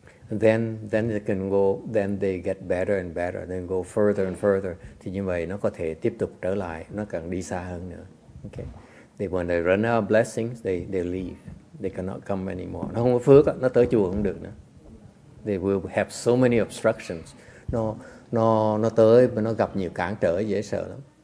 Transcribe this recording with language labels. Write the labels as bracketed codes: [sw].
[en] Then they can go, then they get better and better, then go further and further. [vi] Thì như vậy nó có thể tiếp tục trở lại, nó càng đi xa hơn nữa. [en] Okay. They, when they run out of blessings, they leave. They cannot come anymore. [vi] Nó không có phước, nó tới chùa không được nữa. [en] They will have so many obstructions. [vi] Nó tới mà nó gặp nhiều cản trở, dễ sợ lắm.